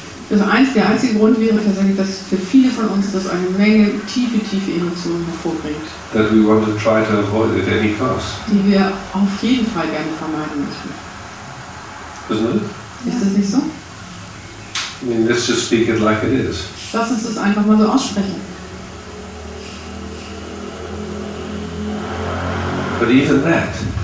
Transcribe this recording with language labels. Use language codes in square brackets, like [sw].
[de] Das einzige, der einzige Grund wäre tatsächlich, dass für viele von uns das eine Menge tiefe, tiefe Emotionen hervorbringt. [en] That we want to try to avoid at any cost. [de] Die wir auf jeden Fall gerne vermeiden möchten. [en] Isn't it? [de] Ist das nicht so? [en] I mean, let's just speak it like it is. [de] Lass uns das einfach mal so aussprechen. [en] But even that.